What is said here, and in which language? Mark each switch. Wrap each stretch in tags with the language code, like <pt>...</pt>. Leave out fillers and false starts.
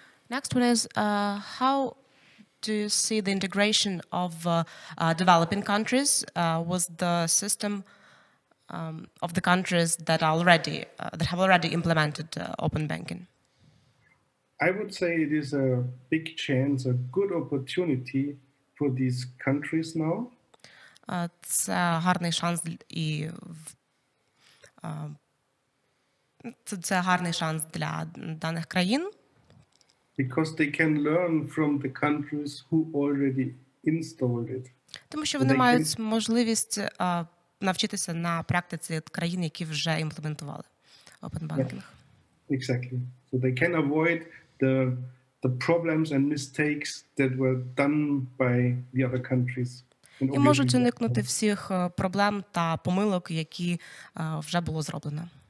<en>Next one is, how do you see the integration of developing countries with the system of the countries that already that have already implemented open banking? I would say it is a big chance, a good opportunity for these countries now.</en> <uk>Це гарний шанс і це гарний шанс для даних країн.</uk> <en>Because they can learn from the countries who already installed it.</en> <uk>Тому що вони мають можливість навчитися на практиці від країн, які вже імплементували open banking.</uk> <en>Yeah, exactly. So they can avoid the problems and mistakes that were done by the other countries.</en> <uk>І можуть уникнути всіх проблем та помилок, які вже було зроблено.</uk>